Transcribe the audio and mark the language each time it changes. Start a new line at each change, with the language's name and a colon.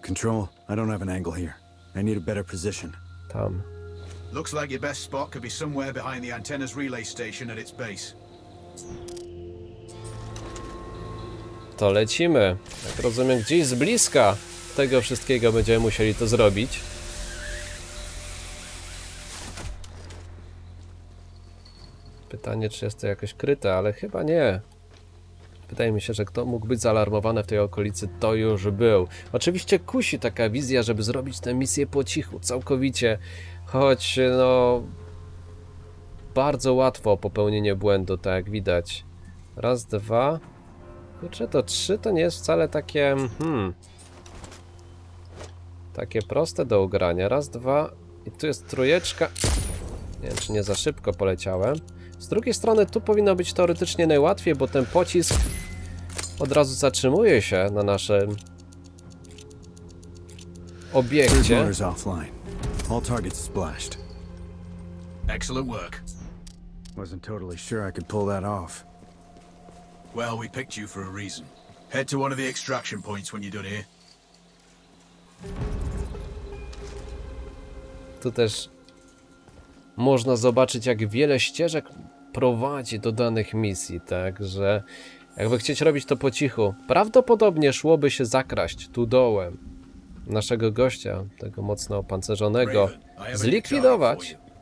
English: Control, I don't have an angle here. I need a better position.
Polish: Tam.
English: Looks like your best spot could be somewhere behind the antenna's relay station at its base.
Polish: To lecimy. Jak rozumiem, gdzieś z bliska tego wszystkiego będziemy musieli to zrobić. Pytanie, czy jest to jakoś kryte, ale chyba nie. Wydaje mi się, że kto mógł być zaalarmowany w tej okolicy, to już był. Oczywiście kusi taka wizja, żeby zrobić tę misję po cichu, całkowicie. Choć, no... bardzo łatwo popełnienie błędu, tak jak widać. Raz, dwa... Kurczę, to trzy to nie jest wcale takie... takie proste do ugrania. Raz, dwa... i tu jest trójeczka... Nie wiem, czy nie za szybko poleciałem. Z drugiej strony tu powinno być teoretycznie najłatwiej, bo ten pocisk od razu zatrzymuje się na naszym obiekcie.
English: All targets splashed. Excellent work. Wasn't totally sure I could pull that off. Well, we picked you for a reason. Head to one of the extraction points when you're done here.
Polish: Tu też można zobaczyć, jak wiele ścieżek prowadzi do danych misji, także jakby chcieć robić to po cichu, prawdopodobnie szłoby się zakraść tu dołem naszego gościa, tego mocno opancerzonego, zlikwidować.